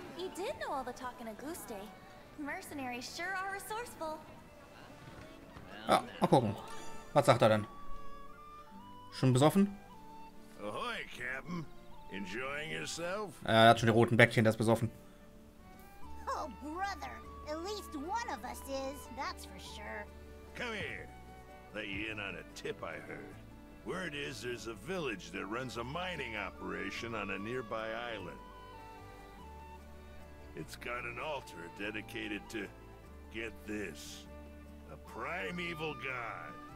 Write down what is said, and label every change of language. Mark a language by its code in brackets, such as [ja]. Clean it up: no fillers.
[en] He did know all the talk in Auguste. Mercenaries sure are resourceful. [de] Ja, mal gucken. Was sagt er denn? Schon besoffen? [en] Ahoy, Captain. Enjoying yourself? [de] Er hat schon die roten Bäckchen, der ist besoffen. [en] Oh, brother. At least one of us is, that's for sure. Come here. Let you in on a tip I heard. Word is there's a village that runs a mining operation on a nearby island. It's got an altar dedicated to, get this, a primeval god.